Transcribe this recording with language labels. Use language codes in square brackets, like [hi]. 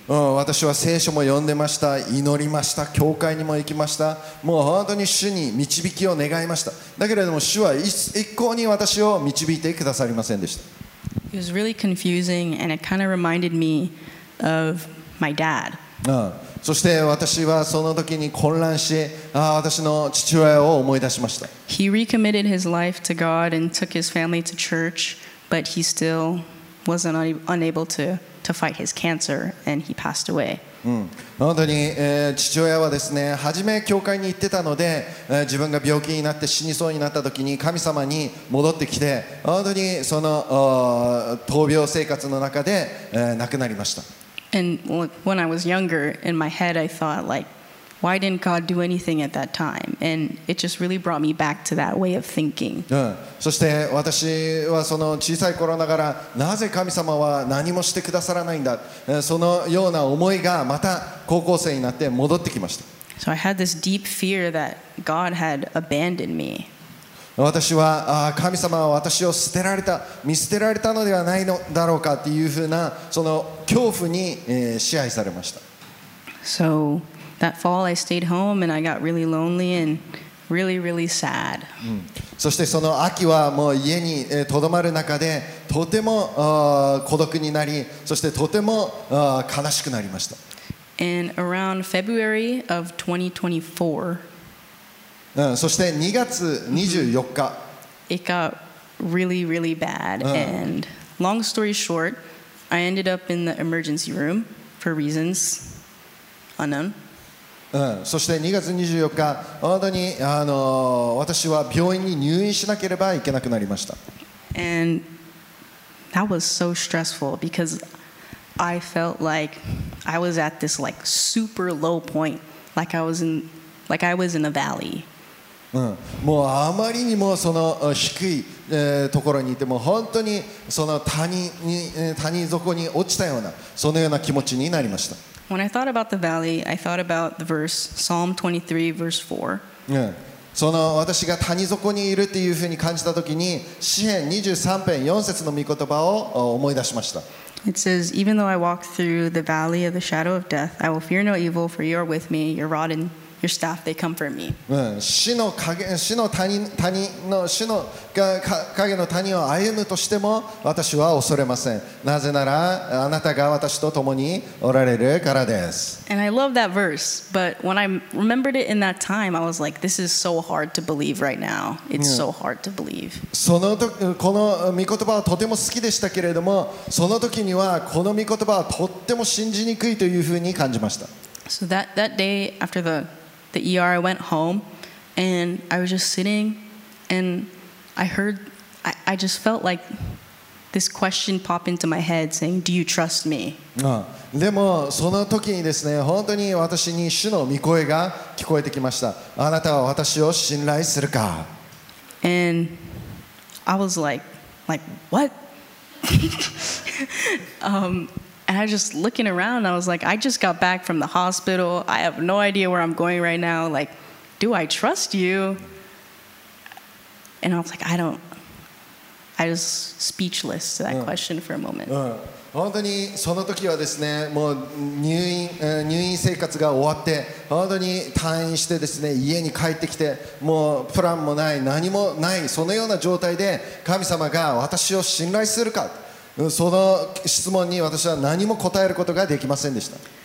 [ja] 私は聖書も読んでました。祈りました。教会にも行きました。もう本当に主に導きを願いました。だけれども主は一向に私を導いてくださりませんでした。 [en] It was really confusing and it kind of reminded me of my dad. [ja] そして私はその時に混乱し、私の父親を思い出しました。 [en] He recommitted his life to God and took his family to church, but he stillwasn't unable to fight his cancer and he passed away. [ja] 本当に、父親はですね、初め教会に行ってたので、自分が病気になって死にそうになった時に神様に戻ってきて、本当にその闘病生活の中で、亡くなりました。 [en] And when I was younger, in my head I thought like, why didn't God do anything at that time? And it just really brought me back to that way of thinking. [ja] そして私はその小さい頃ながらなぜ神様は何もしてくださらないんだ、そのような思いがまた高校生になって戻ってきました。 [en] So I had this deep fear that God had abandoned me. [ja] 私は神様は私を捨てられた、見捨てられたのではないのだろうかというふうなその恐怖に、支配されました。 [en] SoThat fall, I stayed home and I got really lonely and really, really sad. [ja] そしてその秋はもう家にとどまる中でとても孤独になり、そしてとても悲しくなりました。 [en] And around February of 2024, [ja] そして2月24日、 [en] It got really, really bad. And long story short, I ended up in the emergency room for reasons unknown. [ja] そして2月24日、本当に私は病院に入院しなければいけなくなりました。 [en] And that was so stressful because I felt like I was at this like super low point, like I was in, like I was in a valley. [ja] もうあまりにもその低い、ところにいても本当にその谷に、谷底に落ちたようなそのような気持ちになりました。 [en] When I thought about the valley, I thought about the verse Psalm 23 verse 4. [ja] その私が谷底にいるっていうふうに感じたときに詩篇23篇4節の御言葉を思い出しました。 [en] It says, "Even though I walk through the valley of the shadow of death, I will fear no evil, for you are with me. Your rod and your staff they comfort me." [ja] 死の影、死の谷、谷の死の影の谷を歩むとしても私は恐れません。なぜならあなたが私と共におられるからです。 [en] And I love that verse, but when I remembered it in that time, I was like, "This is so hard to believe right now. It's so hard to believe." [ja] その時この御言葉はとても好きでしたけれども、その時にはこの御言葉はとっても信じにくいというふうに感じました。 [en] So that day after the ER, I went home and I was just sitting and I just felt like this question pop into my head saying, "Do you trust me?" [ja] でもその時にですね、本当に私に主の御声が聞こえてきました。あなたは私を信頼するか? [en] And I was like, what? And I was just looking around, I was like, I just got back from the hospital. I have no idea where I'm going right now. Like, do I trust you? And I was like, I don't. I was speechless to that question for a moment. [ja] 本当にその時はですね、もう入院生活が終わって、本当に退院してですね、家に帰ってきて、もうプランもない、何もない、そのような状態で、神様が私を信頼するか。その質問に私は何も答えることができませんでした。